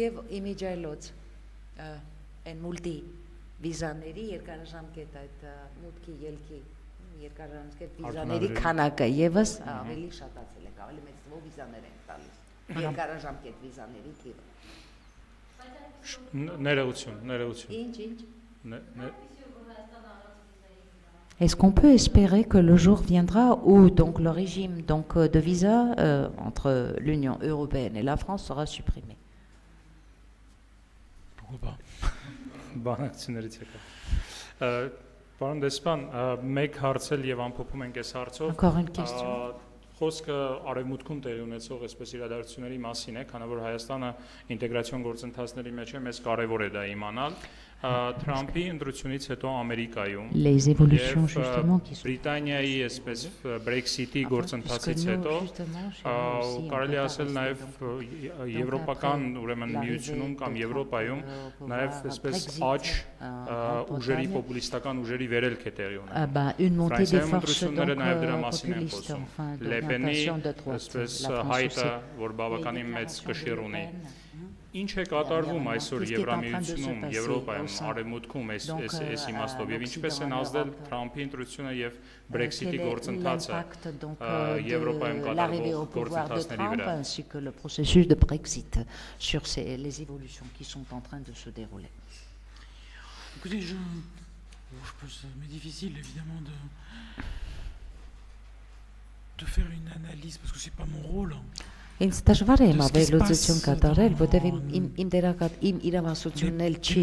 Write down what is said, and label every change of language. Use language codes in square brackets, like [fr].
[hy] Այն մուլտի վիզաների երկարաժամկետ այդ մուտքի ելքի երկարաժամկետ վիզաների քանակը եւս ավելի շատացել է, ավելի մեծ թվով վիզաներ են տալիս երկարաժամկետ վիզաների թիվը։ Ներողություն։ Ինչ։ [fr] Est-ce qu'on peut espérer que le jour viendra où donc le régime donc de visa entre l'Union européenne et la France sera supprimé? [hy] Բանակցիներից եկա։ Պարոն Դեսպան, մեկ հարցել եւ ամփոփում ենք այս հարցով։ Խոսքը արևմուտքում տեղի ունեցող այսպես իրադարձությունների մասին է, քանի որ Հայաստանը ինտեգրացիոն գործընթացների մեջ է, մեզ կարևոր է դա իմանալ։ Թրամփի ընտրությունից հետո Ամերիկայում Բրիտանիայի այսպես Brexit-ի գործընթացից հետո կարելի ասել նաև եվրոպական ուրեմն միությունում կամ Եվրոպայում նաև այսպես աչ ուժերի պոպուլիստական ուժերի վերելք է տեղի ունենում։ Le Pen, այսպես հայտը, որ բավականին մեծ կշիռ ունի։ Ինչ է կատարվում այսօր Եվրամիությունում, Եվրոպայում, Արևմուտքում այս իմաստով եւ ինչպես են ազդել Թրամփի ընտրությունը եւ Brexit-ի գործընթացը Եվրոպայում կատարվող գործընթացների վրա։ [fr] Ainsi que le processus de Brexit sur les évolutions qui sont en train de se dérouler. Écoutez, c'est difficile évidemment de faire une analyse parce que c'est pas mon rôle. [hy] Ինչ դժվար է ավելացություն կատարել, որտեղ իմ դերակատ իմ իրավասությունն էլ չի։